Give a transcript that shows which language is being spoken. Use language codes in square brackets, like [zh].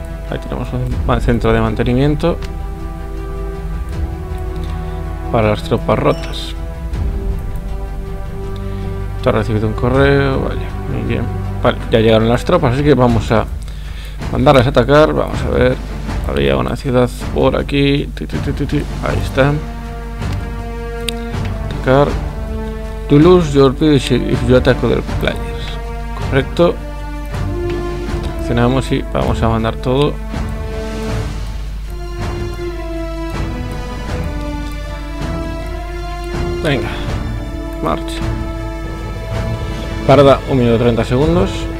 [es] Ahí tenemos un centro de mantenimiento para las tropas rotas. Ha recibido un correo, vale, muy bien. Vale, ya llegaron las tropas, así que vamos a mandarlas a atacar. Vamos a ver, había una ciudad por aquí. Ahí está. Atacar. [en] You lose your village if you attack other players. [es] Correcto. Accionamos y vamos a mandar todo. Venga, marcha. Parda 1 minuto 30 segundos.